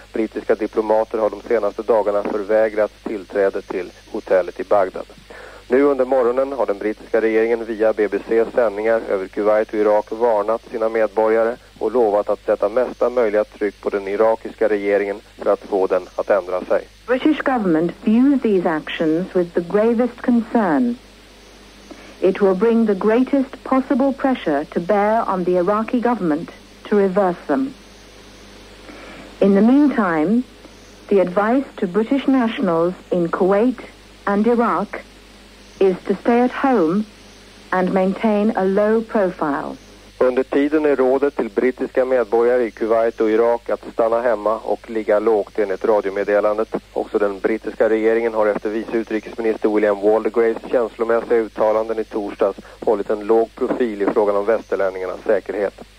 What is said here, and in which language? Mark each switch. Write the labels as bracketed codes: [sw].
[sv] Brittiska diplomater har de senaste dagarna förvägrat tillträde till hotellet i Bagdad. Nu under morgonen har den brittiska regeringen via BBC:s sändningar över Kuwait och Irak varnat sina medborgare och lovat att sätta mesta möjliga tryck på den irakiska regeringen för att få den att ändra sig. [en] British government views these actions with the gravest concern. It will bring the greatest possible pressure to bear on the Iraqi government to reverse them. In the meantime, the advice to British nationals in Kuwait and Iraq is to stay at home and maintain a low profile. [sv] Under tiden är rådet till brittiska medborgare i Kuwait och Irak att stanna hemma och ligga lågt enligt radiomeddelandet. Också den brittiska regeringen har efter vice utrikesminister William Waldegraves känslomässiga uttalanden i torsdags hållit en låg profil i frågan om västerlänningarnas säkerhet.